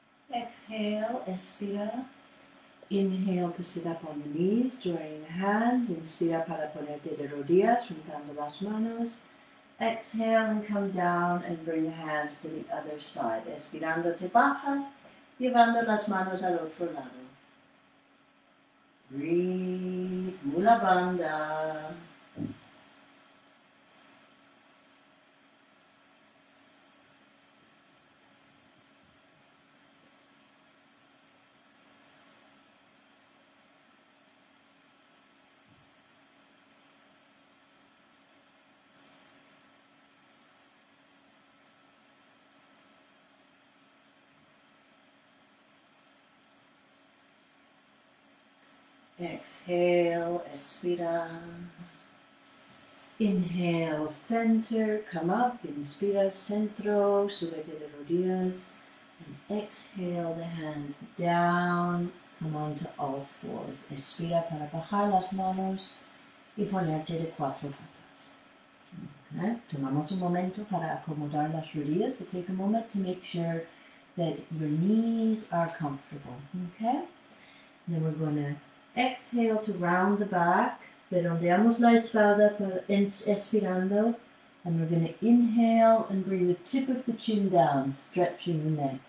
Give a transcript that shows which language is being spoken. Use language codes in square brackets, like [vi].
[en] Exhale, [es] expira. [en] Inhale to sit up on the knees, joining the hands. [es] Inspira para ponerte de rodillas, juntando las manos. [en] Exhale and come down and bring the hands to the other side. [es] Expirando te baja, llevando las manos al otro lado. [en] Breathe, mula banda. Exhale, [es] expira. [en] Inhale, center, come up, [es] inspira, centro, súbete de rodillas. [en] And exhale, the hands down, come onto all fours. [es] Expira para bajar las manos y ponerte de cuatro patas. Okay. Tomamos un momento para acomodar las rodillas. [en] So take a moment to make sure that your knees are comfortable. Okay? Then we're going to exhale to round the back, [es] redondeamos la espalda, expirando, [en] And we're going to inhale and bring the tip of the chin down, stretching the neck.